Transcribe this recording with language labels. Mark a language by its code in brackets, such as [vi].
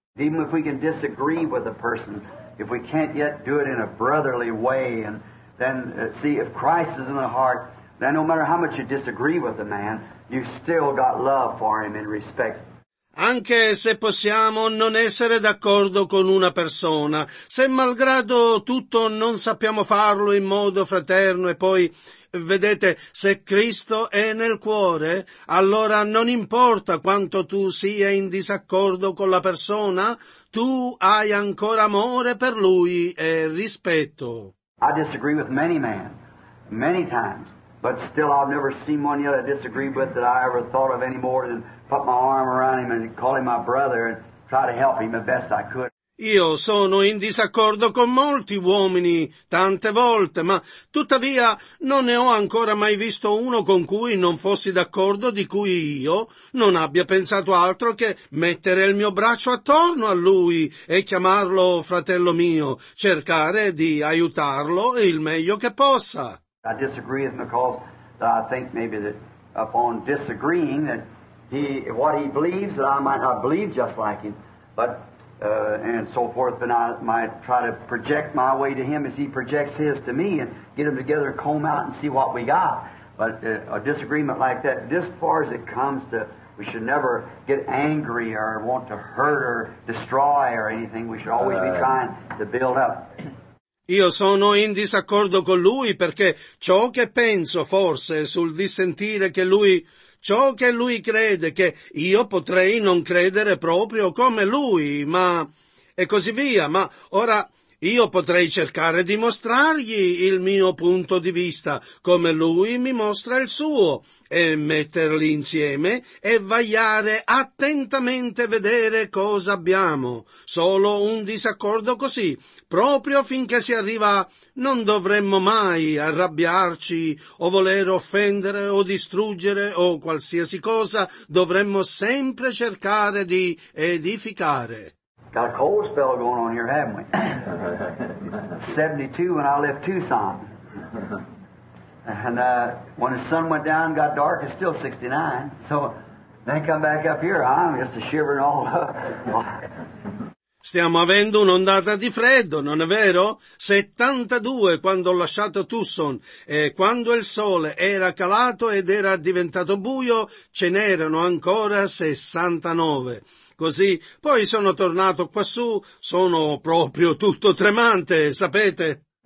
[en] Even if we can disagree with a person, if we can't yet do it in a brotherly way, and then see if Christ is in the heart, then no matter how much you disagree with a man, you've still got love for him and respect. [it] Anche se possiamo non essere d'accordo con una persona, se malgrado tutto non sappiamo farlo in modo fraterno, e poi vedete, se Cristo è nel cuore, allora non importa quanto tu sia in disaccordo con la persona, tu hai ancora amore per lui e rispetto. [en] I disagree with many men, many times, but still I've never seen one yet I disagree with that I ever thought of any more than put my arm around him and call him my brother and try to help him the best I could. [it] Io sono in disaccordo con molti uomini, tante volte, ma tuttavia non ne ho ancora mai visto uno con cui non fossi d'accordo, di cui io non abbia pensato altro che mettere il mio braccio attorno a lui e chiamarlo fratello mio, cercare di aiutarlo il meglio che possa. [en] I disagree with him because I think maybe that upon disagreeing that he, what he believes that I might not believe just like him, but and so forth, then I might try to project my way to him as he projects his to me and get them together, comb out and see what we got. But a disagreement like that, this far as it comes to, we should never get angry or want to hurt or destroy or anything. We should always be trying to build up. [it] Io sono in disaccordo con lui perché ciò che penso forse sul dissentire che lui, ciò che lui crede, che io potrei non credere proprio come lui, ma, e così via, ma ora io potrei cercare di mostrargli il mio punto di vista, come lui mi mostra il suo, e metterli insieme e vagliare attentamente vedere cosa abbiamo. Solo un disaccordo così, proprio finché si arriva, non dovremmo mai arrabbiarci o voler offendere o distruggere o qualsiasi cosa, dovremmo sempre cercare di edificare. [en] Got a cold spell going on here, haven't we? 72 when I left Tucson. And when the sun went down and got dark, it's still 69. So then come back up here, I'm just a shivering all up. [it] Stiamo avendo un'ondata di freddo, non è vero? 72 quando ho lasciato Tucson, e quando il sole era calato ed era diventato buio, ce n'erano ancora 69. Così, poi sono tornato quassù, sono proprio tutto tremante, sapete?